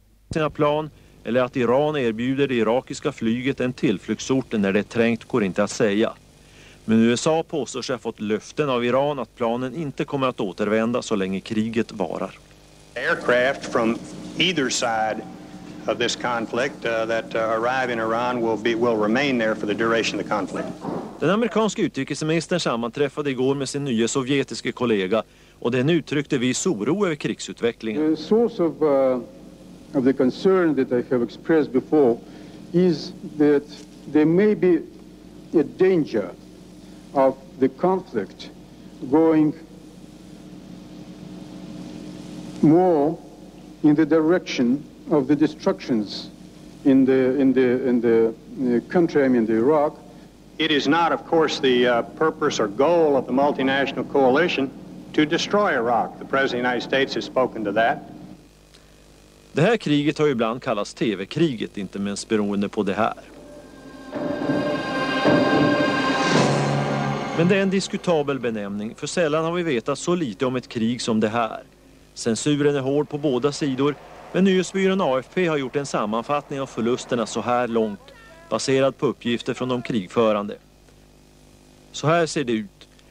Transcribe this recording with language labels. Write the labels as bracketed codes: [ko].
[sv] Sina plan eller att Iran erbjuder det irakiska flyget en tillflyktsort när det är trängt går inte att säga. Men USA påstår sig ha fått löften av Iran att planen inte kommer att återvända så länge kriget varar. [en] Aircraft from either side of this conflict arrive in Iran will remain there for the duration of the conflict. [sv] Den amerikanska utrikesministern sammanträffade igår med sin nya sovjetiska kollega och den uttryckte viss oro över krigsutvecklingen. [en] The source of the concern that I have expressed before is that there may be a danger of the conflict going more in the direction of the destructions in the country, Iraq. It is not, of course, the purpose or goal of the multinational coalition to destroy Iraq. The President of the United States has spoken to that. [sv] Det här kriget har ju ibland kallats TV-kriget, inte minst beroende på det här. Men det är en diskutabel benämning, för sällan har vi vetat så lite om ett krig som det här. Censuren är hård på båda sidor, men nyhetsbyrån AFP har gjort en sammanfattning av förlusterna så här långt, baserad på uppgifter från de krigförande. Så här ser det ut.